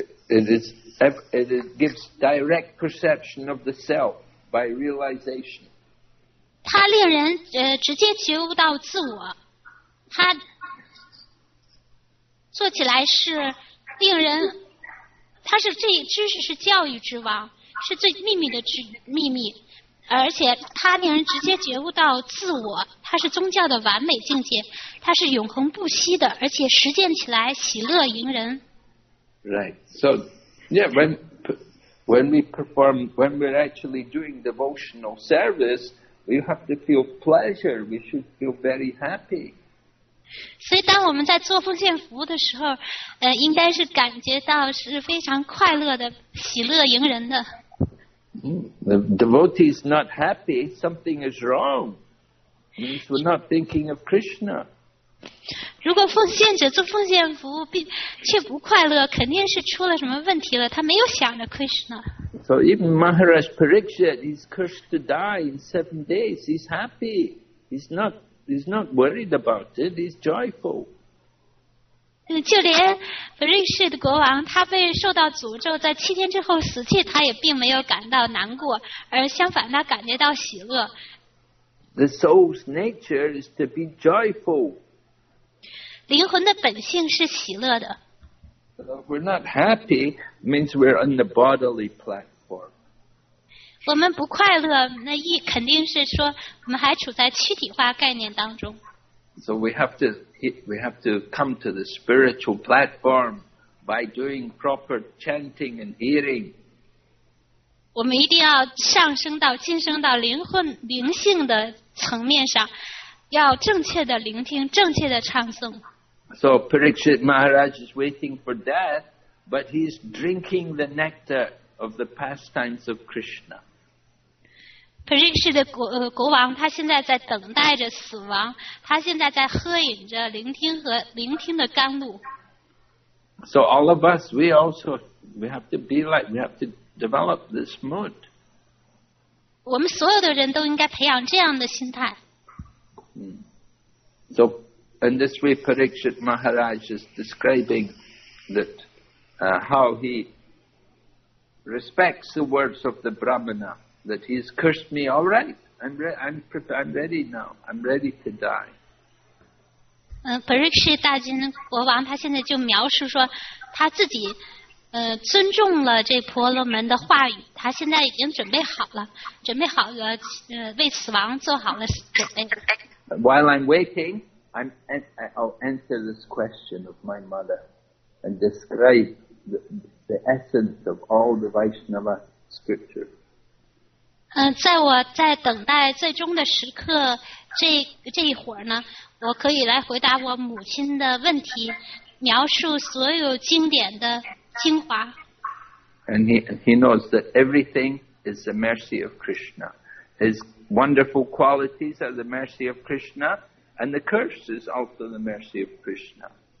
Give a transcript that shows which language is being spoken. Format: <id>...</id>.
<en>It gives direct perception of the self by realization.</en> <zh>它令人直接觉悟到自我，它做起来是令人，它是最知识是教育之王，是最秘密的秘密，而且它令人直接觉悟到自我，它是宗教的完美境界，它是永恒不息的，而且实践起来喜乐盈人。</zh> <en>Right, so yeah, when we're actually doing devotional service, we have to feel pleasure, we should feel very happy.</en> <zh>所以当我们在做奉献服务的时候，应该是感觉到是非常快乐的，喜乐盈人的。</zh> <en>The devotee is not happy, something is wrong. Means we're not thinking of Krishna.</en> <zh>如果奉献者做奉献服务并却不快乐，肯定是出了什么问题了，他没有想着 Krishna.</zh> <en>So even Maharaj Parikshit, he's cursed to die in 7 days. He's happy. He's not worried about it. He's joyful.</en> <zh>就连 Parikshit 国王他被受到诅咒在7天之后死去，他也并没有感到难过，而相反他感觉到喜乐。</zh> <en>The soul's nature is to be joyful.</en> <zh>灵魂的本性是喜乐的。</zh> <en>We're not happy means we're on the bodily platform.</en> <zh>我们不快乐，那一肯定是说我们还处在躯体化概念当中。</zh> <en>So we have to come to the spiritual platform by doing proper chanting and hearing.</en> <zh>我们一定要上升到晋升到灵性的层面上，要正确的聆听，正确的唱诵。</zh> <en>So Parikshit Maharaj is waiting for death, but he's drinking the nectar of the pastimes of Krishna.</en> <zh>Parikshit 的国王他现在在等待着死亡，他现在在喝饮着聆听的甘露。</zh> <en>So all of us, we have to develop this mood.</en> <zh>我们所有的人都应该培养这样的心态。</zh> <en>So in this way, Parikshit Maharaj is describing that, how he respects the words of the Brahmana. That he's cursed me, all right. I'm ready now. I'm ready to die.</en> <zh>Parikshit 大金国王他现在就描述说，他自己尊重了这婆罗门的话语，他现在已经准备好了，准备好了为死亡做好了准备。</zh> <en>While I'm waiting, I'll answer this question of my mother and describe the essence of all the Vaishnava scriptures.</en> <zh>在我在等待最终的时刻这一会儿呢，我可以来回答我母亲的问题，描述所有经典的精华。</zh> <en>And he knows that everything is the mercy of Krishna. His wonderful qualities are the mercy of Krishna, And the curse is also the mercy of Krishna.</en>